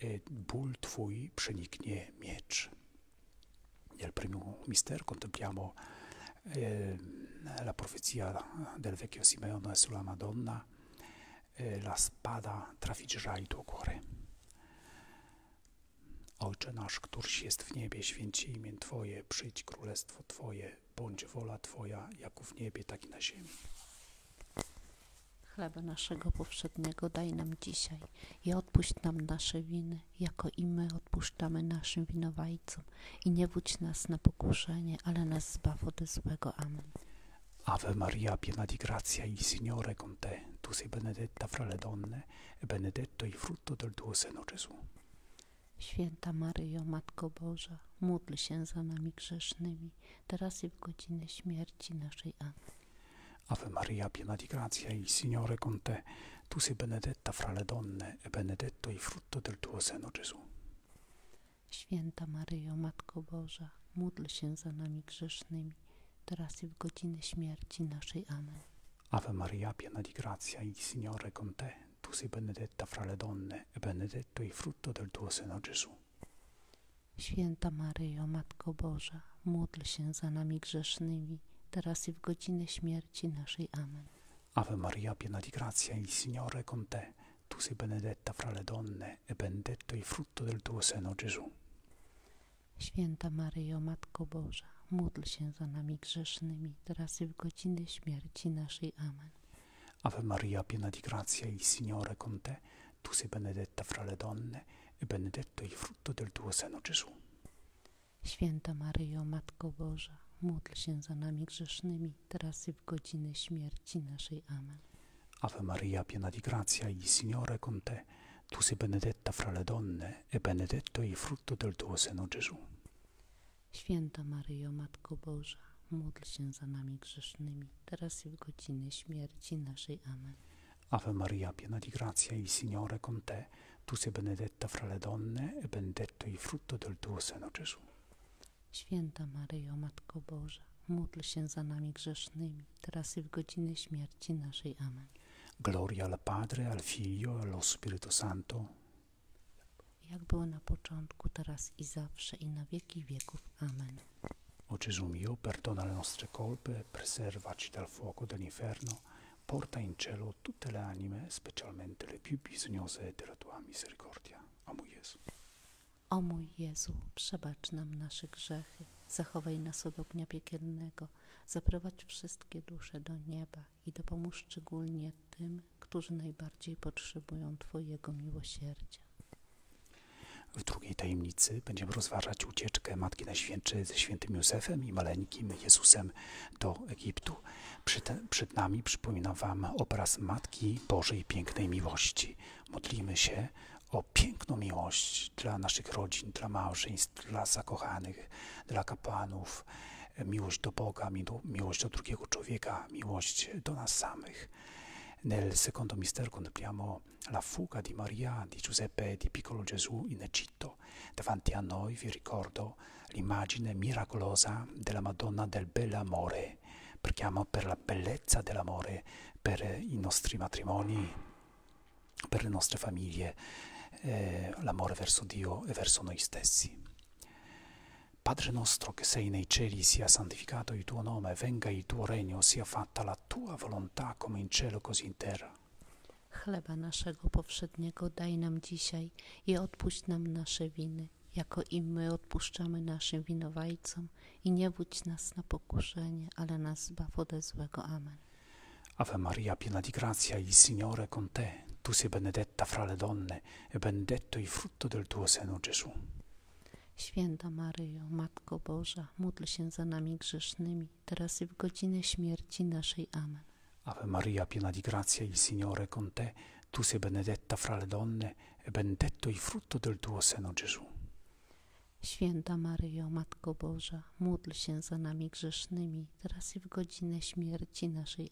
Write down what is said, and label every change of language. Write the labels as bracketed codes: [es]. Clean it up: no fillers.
[pl] Ból Twój przeniknie miecz. [it] Nel primo mister contempliamo la profezia del vecchio Simeone sulla Madonna. La spada trafiggerà il tuo cuore. [pl] Ojcze nasz, któryś jest w niebie, święci imię Twoje, przyjdź królestwo Twoje, bądź wola Twoja, jako w niebie, tak i na ziemi. Chleba naszego powszedniego daj nam dzisiaj i odpuść nam nasze winy, jako i my odpuszczamy naszym winowajcom. I nie wódź nas na pokuszenie, ale nas zbaw ode złego. Amen. [it] Ave Maria, piena di grazia, il Signore con te. Tu sei benedetta fra le donne e benedetto il frutto del tuo seno, Gesù. [pl] Święta Maryjo, Matko Boża, módl się za nami grzesznymi, teraz i w godzinę śmierci naszej. Amen. [it] Ave Maria, piena di grazia, il Signore con te. Tu sei benedetta fra le donne e benedetto il frutto del tuo seno, Gesù. [pl] Święta Maryjo, Matko Boża, módl się za nami grzesznymi, teraz i w godzinę śmierci naszej. Amen. [it] Ave Maria, piena di grazia, il Signore con te. Tu sei benedetta fra le donne e benedetto il frutto del tuo seno, Gesù. [pl] Święta Maryjo, Matko Boża, módl się za nami grzesznymi, teraz i w godzinę śmierci naszej. Amen. [it] Ave Maria, piena di grazia, il Signore con te. Tu sei benedetta fra le donne e benedetto il frutto del tuo seno, Gesù. [pl] Święta Maryjo, Matko Boża, módl się za nami grzesznymi, teraz i w godzinę śmierci naszej. Amen. [it] Ave Maria, piena di grazia, il Signore con te. Tu sei benedetta fra le donne e benedetto il frutto del tuo seno, Gesù. [pl] Święta Maryjo, Matko Boża, módl się za nami grzesznymi, teraz i w godzinę śmierci naszej. Amen. [it] Ave Maria, piena di grazia, il Signore con te. Tu sei benedetta fra le donne e benedetto il frutto del tuo seno, Gesù. [pl] Święta Maryjo, Matko Boża, módl się za nami grzesznymi, teraz i w godzinę śmierci naszej. Amen. [it] Ave Maria, piena di grazia, il Signore con te. Tu sei benedetta fra le donne e benedetto il frutto del tuo seno, Gesù. [pl] Święta Maryjo, Matko Boża, módl się za nami grzesznymi, teraz i w godzinę śmierci naszej. Amen. [it] Gloria al Padre, al Figlio, allo Spirito Santo. [pl] Jak było na początku, teraz i zawsze, i na wieki wieków. Amen. [it] O Gesù mio, perdona le nostre colpe, preservaci dal fuoco dell'inferno, porta in cielo tutte le anime, specialmente le più bisognose della tua misericordia. [pl] O mój Jezu. O mój Jezu, przebacz nam nasze grzechy, zachowaj nas od ognia piekielnego, zaprowadź wszystkie dusze do nieba i dopomóż szczególnie tym, którzy najbardziej potrzebują Twojego miłosierdzia. W drugiej tajemnicy będziemy rozważać ucieczkę Matki Najświętszej ze świętym Józefem i maleńkim Jezusem do Egiptu. Przed nami przypominam Wam obraz Matki Bożej Pięknej Miłości. Modlimy się o piękną miłość dla naszych rodzin, dla małżeństw, dla zakochanych, dla kapłanów. Miłość do Boga, miłość do drugiego człowieka, miłość do nas samych. [it] Nel secondo mistero contempliamo la fuga di Maria, di Giuseppe e di piccolo Gesù in Egitto. Davanti a noi vi ricordo l'immagine miracolosa della Madonna del Bell'Amore. Preghiamo per la bellezza dell'amore, per i nostri matrimoni, per le nostre famiglie, l'amore verso Dio e verso noi stessi. Padre nostro che sei nei cieli, sia santificato il tuo nome, venga il tuo regno, sia fatta la tua volontà come in cielo così in terra. [pl] Chleba naszego powszedniego daj nam dzisiaj i odpuść nam nasze winy, jako i my odpuszczamy naszym winowajcom. I nie wódź nas na pokuszenie, ale nas zbaw ode złego. Amen. [it] Ave Maria, piena di grazia, il Signore con te. Tu sei benedetta fra le donne e benedetto il frutto del tuo seno, Gesù. [pl] Święta Maryjo, Matko Boża, módl się za nami grzesznymi, teraz i w godzinę śmierci naszej. Amen. [it] Ave Maria, piena di grazia, il Signore con te. Tu sei benedetta fra le donne e benedetto il frutto del tuo seno, Gesù. [pl] Święta Maryjo, Matko Boża, módl się za nami grzesznymi, teraz i w godzinę śmierci naszej.